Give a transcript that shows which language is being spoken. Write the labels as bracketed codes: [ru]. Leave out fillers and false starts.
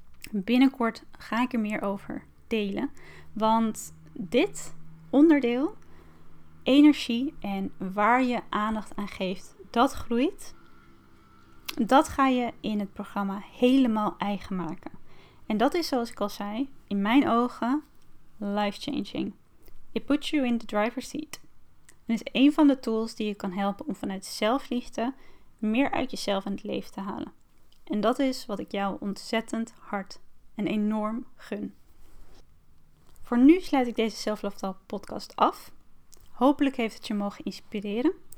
[nl] Binnenkort ga ik er meer over delen. Want dit onderdeel, energie en waar je aandacht aan geeft, dat groeit. Dat ga je in het programma helemaal eigen maken. En dat is, zoals ik al zei, in mijn ogen life-changing. [en] It puts you in the driver's seat. [nl] En is een van de tools die je kan helpen om vanuit zelfliefde meer uit jezelf in het leven te halen. En dat is wat ik jou ontzettend hard en enorm gun. Voor nu sluit ik deze Self Love Talk podcast af. Hopelijk heeft het je mogen inspireren.